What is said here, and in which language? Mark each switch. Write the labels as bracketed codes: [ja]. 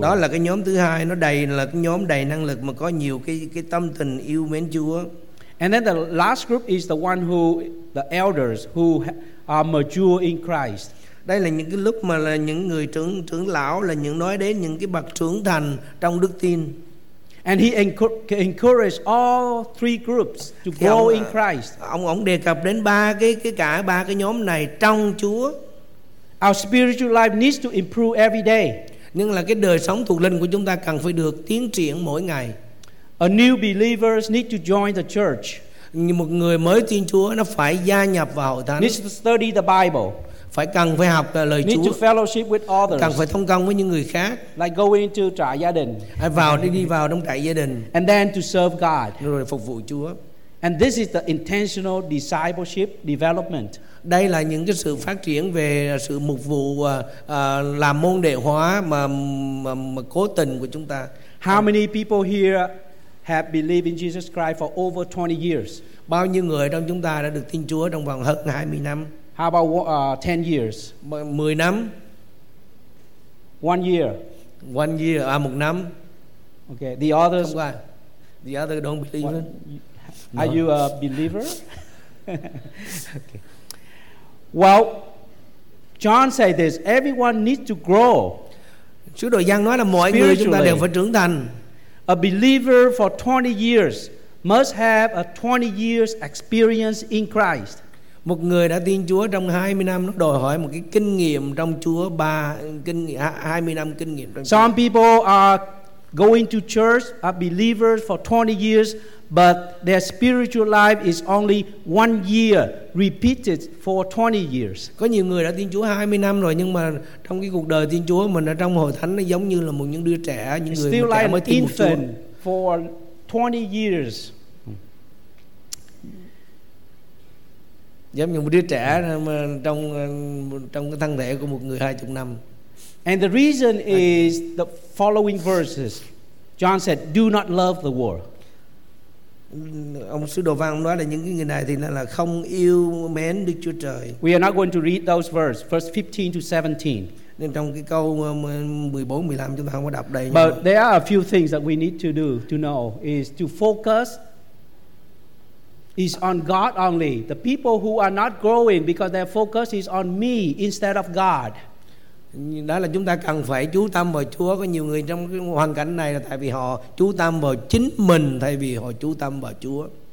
[vi] Đó là cái nhóm thứ hai, nó đầy là cái nhóm đầy năng lực mà có nhiều cái tâm tình yêu mến Chúa. [en] And then the last group is the one who the elders who are mature in Christ. [vi] Đây là những cái lúc mà là những người trưởng lão, là những nói đến những cái bậc trưởng thành trong đức tin. [en] And he encouraged all three groups to grow in Christ. [vi] Ông đề cập đến ba cái nhóm này trong Chúa. [en] Our spiritual life needs to improve every day. [vi] Nhưng là cái đời sống thuộc linh của chúng ta cần phải được tiến triển mỗi ngày. [en] A new believer needs to join the church. [vi] Một người mới tin Chúa nó phải gia nhập vào hội thánh. [en] Needs to study the Bible. [vi] Phải học lời [en] Need [vi] Chúa. [en] To fellowship with others. [vi] Cần phải thông công với những người khác. [en] Like going to [vi] trại gia đình. Hay vào đi vào trong trại gia đình. [en] And then to serve God. [vi] Rồi phục vụ Chúa. [en] And this is the intentional discipleship development. [vi] Đây là những cái sự phát triển về sự mục vụ làm môn đệ hóa mà cố tình của chúng ta. [en] How many people here have believed in Jesus Christ for over 20 years? [vi] Bao nhiêu người trong chúng ta đã được tin Chúa trong vòng hơn 20 năm? [en] How about 10 years? [vi] 10 năm. [en] 1 year. 1 year, [vi] 1 năm. [en] Okay, the others. The other don't believe. What, no. Are you a believer? Okay. Well, John said this, everyone needs to grow. [vi] Sứ đồ Giăng nói là mọi người chúng ta đều phải trưởng thành. [en] A believer for 20 years must have a 20 years experience in Christ. [vi] Một người đã tin Chúa trong 20 năm nó đòi hỏi một cái kinh nghiệm trong Chúa ba kinh 20 năm kinh nghiệm trong Chúa. [en] Some people are going to church, are believers for 20 years, but their spiritual life is only 1 year repeated for 20 years. [vi] Có nhiều người đã tin Chúa 20 năm rồi nhưng mà trong cái cuộc đời tin Chúa mình ở trong hội thánh nó giống như là một những đứa trẻ, những người [en] still [vi] trẻ mới tin Chúa. [en] For 20 years. [vi] Giống như một đứa trẻ trong cái thân thể của một người 20 năm. [en] And the reason is the following verses. John said, "Do not love the world." [vi] Ông sứ đồ Phaolô nói là những cái người này thì là không yêu mến Đức Chúa Trời. [en] We are not going to read those verses, verse 15 to 17. [vi] Nên trong cái câu 14, 15 chúng ta không có đọc đây. [en] But there are a few things that we need to do to know is to focus is on God only. The people who are not growing because their focus is on me instead of God. [vi] Đó là chúng ta cần phải chú tâm vào Chúa. Có nhiều người trong cái hoàn cảnh này là tại vì họ chú tâm vào chính mình thay vì họ chú tâm vào Chúa.